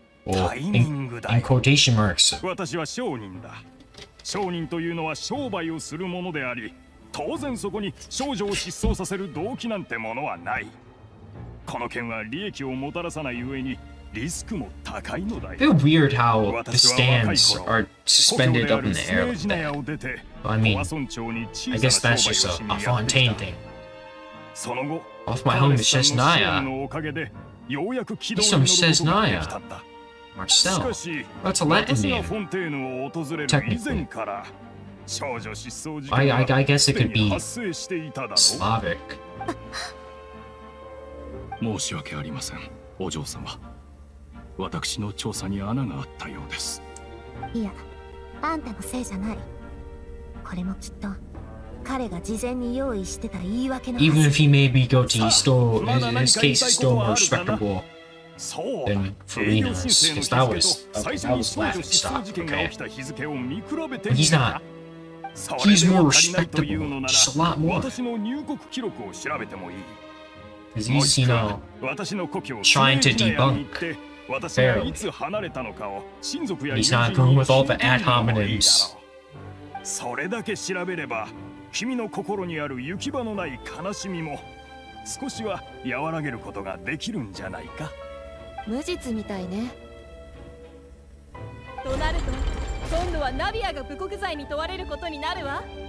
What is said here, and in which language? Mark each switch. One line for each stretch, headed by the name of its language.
Japanese: タイミングだよ。
English: In quotation marks。
Japanese: 私は商人だ。商人というのは商売をするものであり、当然そこに少女を失踪させる動機なんてものはない。この件は利益をもたらさない上に、リスクも高いのだよ。
English: It's weird how the stands are suspended up in the air like that. But I mean, I guess that's just a Fontaine thing.
Japanese: その後、
English: Off my home is Shesnaya. Some Shesnaya. Marcel. That's a Latin name. Technically. I guess it could be Slavic.
Japanese: 申し訳ありません、お嬢様。私の調査に穴があったようです。いや、あんたのせいじゃない。これもきっと彼が事前に用意してた言い訳の。
English: Even if he may be guilty, he still, in his case, is still more respectable than Farina. Because that was laughing stock. Okay. But he's not. He's more respectable. Just a lot more.
Japanese: 私の入国記録を調べてもいい。
English: Because he's, you know, trying to debunk Pharaoh. And he's not going with all the ad hominems.
Japanese: それだけ調べれば、君の心にある行き場のない悲しみも少しは和らげることができるんじゃないか。無実みたいね。となると、今度はナビアが侮辱罪に問われることになるわ。